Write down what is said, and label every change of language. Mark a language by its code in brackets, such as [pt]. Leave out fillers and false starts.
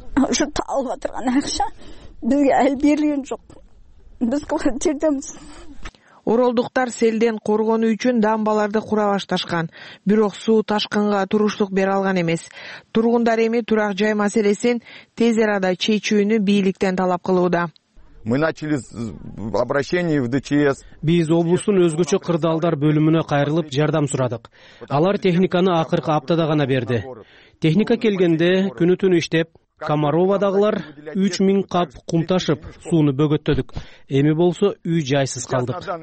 [ky] Ушу талып аткан акча бизге ал берилген жок. Биз квартирдамыз. Оролдуктар селден коргонуу үчүн дамбаларды кура башташкан, бирок суу ташкынга туруштук бере алган эмес. Тургундар эми турак жай маселесин тез арада чечүүнү бийликтен талап кылууда. [ru] Мы начали обращение в ДЧС. [ky] Биз облустун өзгөчө кырдаалдар бөлүмүнө кайрылып жардам сурадык. Алар техниканы акыркы аптада гана берди. Техника келгенде күнү түнү иштеп, Комаровадагылар 3000 кап кум ташып, сууну бөгөттөдүк. Эми болсо үй жайсыз калдык.